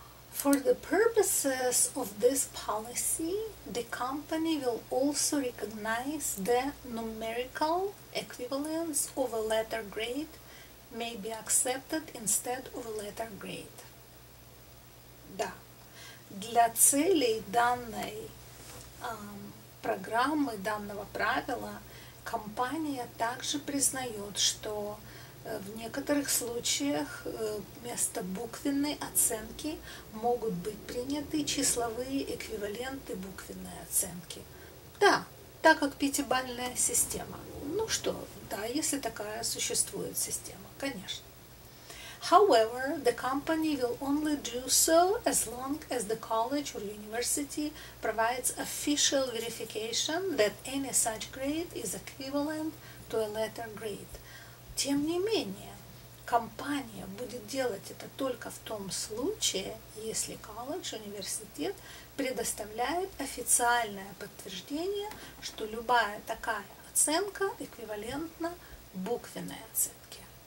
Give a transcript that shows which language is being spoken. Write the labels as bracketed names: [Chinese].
[English] For the purposes of this policy, the company will also recognize the numerical equivalence of a letter grade may be accepted instead of a letter grade. [Russian] Да. Для целей данной программы, данного правила, Компания также признает, что в некоторых случаях вместо буквенной оценки могут быть приняты числовые эквиваленты буквенной оценки. Да, так как пятибалльная система. Ну что, да, если такая существует система, конечно. [English] However, the company will only do so as long as the college or university provides official verification that any such grade is equivalent to a letter grade. [Russian] Тем не менее, компания будет делать это только в том случае, если колледж, университет предоставляет официальное подтверждение, что любая такая оценка эквивалентна буквенной оценке.